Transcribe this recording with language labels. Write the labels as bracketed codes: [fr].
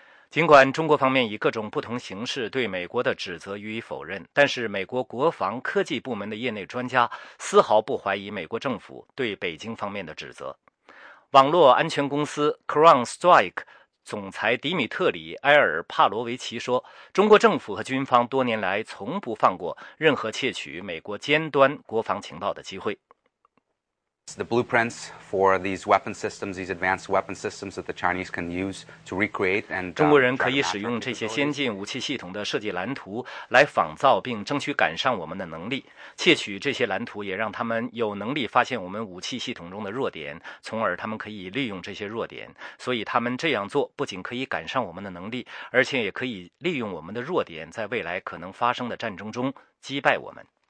[zh] 尽管中国方面以各种不同形式对美国的指责予以否认，但是美国国防科技部门的业内专家丝毫不怀疑美国政府对北京方面的指责。网络安全公司 CrowdStrike 总裁迪米特里·埃尔·帕罗维奇说，中国政府和军方多年来从不放过任何窃取美国尖端国防情报的机会。 [en] The blueprints for these weapon systems, these advanced weapon systems that the Chinese can use to recreate and [zh] 中国人可以使用这些先进武器系统的设计蓝图来仿造，并争取赶上我们的能力。窃取这些蓝图也让他们有能力发现我们武器系统中的弱点，从而他们可以利用这些弱点。所以他们这样做不仅可以赶上我们的能力，而且也可以利用我们的弱点，在未来可能发生的战争中击败我们。